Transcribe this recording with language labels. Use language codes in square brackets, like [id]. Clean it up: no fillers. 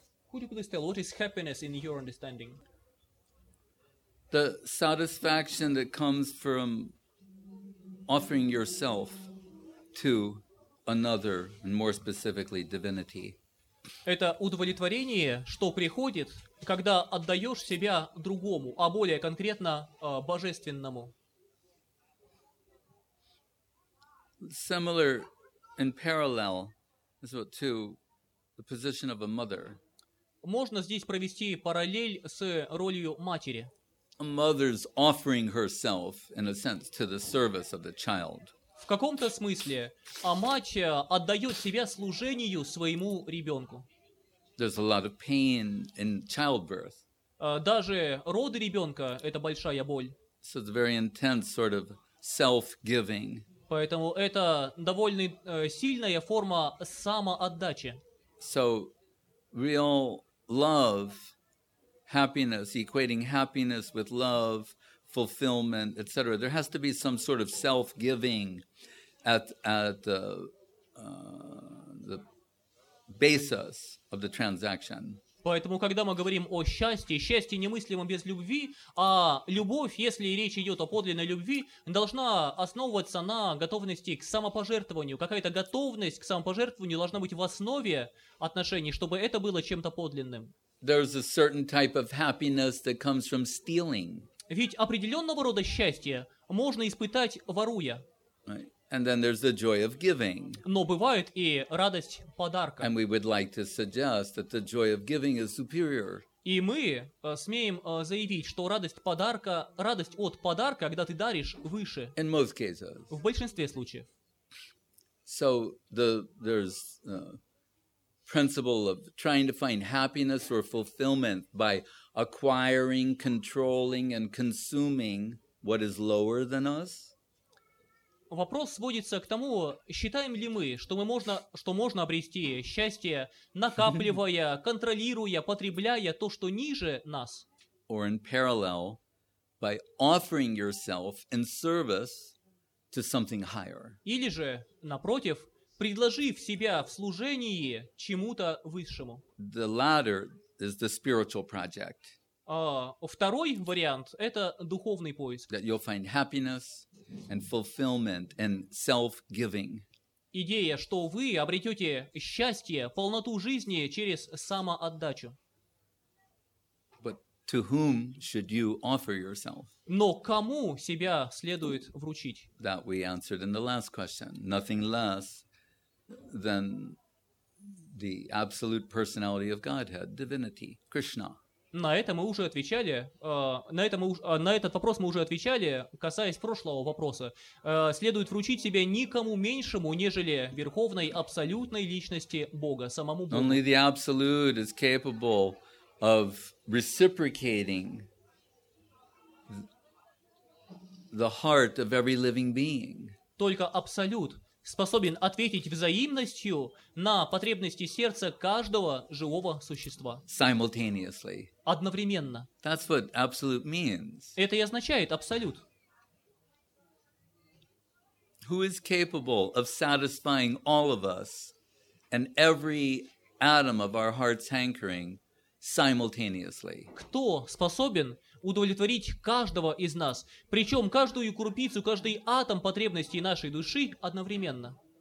[en] Could you please tell what is happiness in your understanding? The satisfaction that comes from offering yourself to another, and more specifically, divinity. [ru] Это удовлетворение, что приходит, когда отдаешь себя другому, а более конкретно божественному. [en] Similar in parallel is what to the position of a mother. [ru] Можно здесь провести параллель с ролью матери. [en] A mother's offering herself in a sense to the service of the child. [ru] В каком-то смысле, а мать отдает себя служению своему ребенку. [en] There's a lot of pain in childbirth. [ru] Даже роды ребенка – это большая боль. [en] So it's a very intense sort of self-giving. [ru] Поэтому это довольно сильная форма самоотдачи. [en] So real love, happiness, equating happiness with love, fulfillment, etc. There has to be some sort of self-giving at the basis of the transaction. [ru] Поэтому, когда мы говорим о счастье, счастье немыслимо без любви, а любовь, если речь идет о подлинной любви, должна основываться на готовности к самопожертвованию. Какая-то готовность к самопожертвованию должна быть в основе отношений, чтобы это было чем-то подлинным. [en] There's a certain type of happiness that comes from stealing. [ru] Ведь определенного рода счастье можно испытать, воруя. [en] And then there's the joy of giving. [ru] Но бывает и радость подарка. [en] And we would like to suggest that the joy of giving is superior. [ru] И мы смеем заявить, что радость от подарка, когда ты даришь, выше. [en] In most cases. [ru] В большинстве случаев. [en] So there's the principle of trying to find happiness or fulfillment by acquiring, controlling, and consuming what is lower than us. [ru] Вопрос сводится к тому, считаем ли мы, что можно обрести счастье, накапливая, контролируя, потребляя то, что ниже нас. [en] Or in parallel, by offering yourself in service to something higher. [ru] Или же, напротив, предложив себя в служении чему-то высшему. [en] The latter is the spiritual project. [ru] Второй вариант – это духовный поиск. [en] That you'll find happiness and fulfillment and self-giving. [ru] Идея, что вы обретете счастье, полноту жизни через самоотдачу. [en] But to whom should you offer yourself? [ru] Но кому себя следует вручить? [en] That we answered in the last question. Nothing less than the absolute personality of Godhead, divinity, Krishna. [ru] На это мы уже отвечали, на этот вопрос мы уже отвечали, касаясь прошлого вопроса. Следует вручить себя никому меньшему, нежели верховной абсолютной личности Бога, самому Богу. [en] Only the absolute is capable of reciprocating the heart of every living being. [ru] Только абсолют способен ответить взаимностью на потребности сердца каждого живого существа. [en] Simultaneously. [ru] Одновременно. [en] That's what absolute means. [ru] Это и означает абсолют. [en] Who is capable of satisfying all of us and every atom of our heart's hankering simultaneously? [ru] Кто способен удовлетворить каждого из нас, причем каждую крупицу, каждый атом потребностей нашей души одновременно?